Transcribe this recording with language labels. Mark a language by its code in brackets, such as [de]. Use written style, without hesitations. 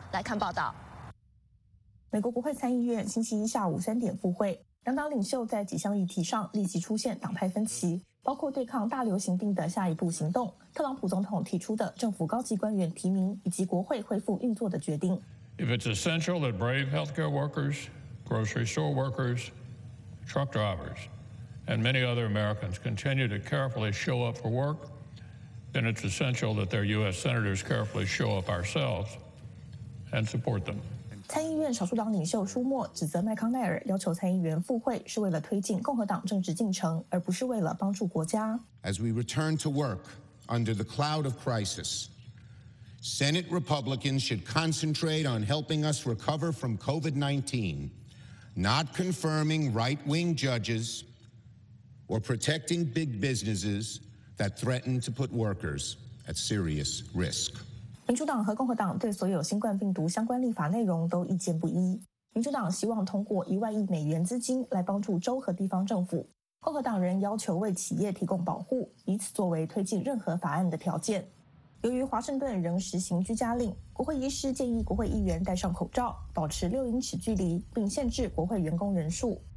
[zh] 来看报道。美国国会参议院星期一下午3点复会，两党领袖在几项议题上立即出现党派分歧，包括对抗大流行病的下一步行动、特朗普总统提出的政府高级官员提名以及国会恢复运作的决定。 [en] If it's essential that brave healthcare workers, grocery store workers, truck drivers, and many other Americans continue to carefully show up for work, then it's essential that their U.S. senators carefully show up ourselves and support them. [zh] 参议院少数党领袖舒默指责麦康奈尔要求参议员复会是为了推进共和党政治进程，而不是为了帮助国家。 [en] As we return to work under the cloud of crisis,Senate Republicans should concentrate on helping us recover from COVID-19, not confirming right-wing judges or protecting big businesses that threaten to put workers at serious risk. [zh] 民主党和共和党对所有新冠病毒相关立法内容都意见不一。民主党希望通过$10,000,000,000资金来帮助州和地方政府，共和党人要求为企业提供保护，以此作为推进任何法案的条件。由于华盛顿仍实行居家令，国会医师建议国会议员戴上口罩，保持6英尺距离，并限制国会员工人数。